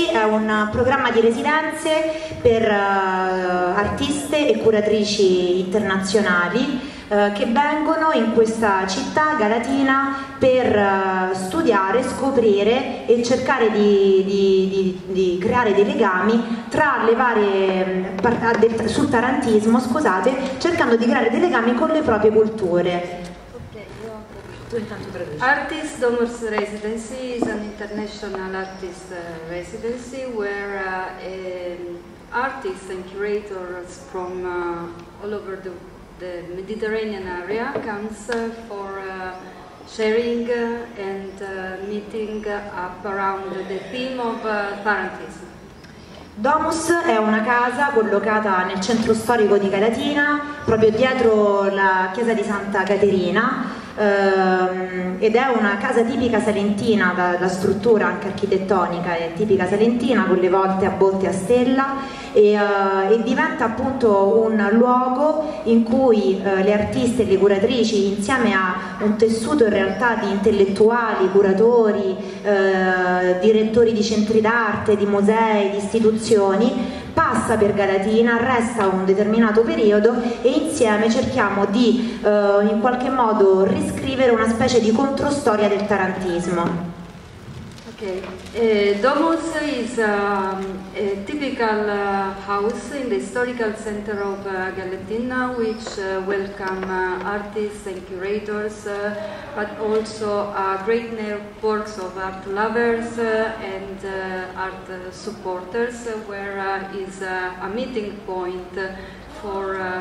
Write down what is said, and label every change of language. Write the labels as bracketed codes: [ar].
[it] Un programma di residenze per artiste e curatrici internazionali che vengono in questa città galatina per studiare, scoprire e cercare di creare dei legami tra le varie sul tarantismo, scusate, cercando di creare dei legami con le proprie culture. [en] Artist Domus Residency is an international artist residency where artists and curators from all over the Mediterranean area comes for sharing and meeting up around the theme of Tarantism. [it] Domus è una casa collocata nel centro storico di Galatina, proprio dietro la chiesa di Santa Caterina. Ed è una casa tipica salentina, la struttura anche architettonica è tipica salentina, con le volte a botte a stella, e diventa appunto un luogo in cui le artiste e le curatrici, insieme a un tessuto in realtà di intellettuali, curatori, direttori di centri d'arte, di musei, di istituzioni, passa per Galatina, resta un determinato periodo e insieme cerchiamo di in qualche modo riscrivere una specie di controstoria del tarantismo. [en] Ok, Domus is a typical house in the historical center of Galatina, which welcome artists and curators, but also great networks of art lovers and art supporters, where is a meeting point for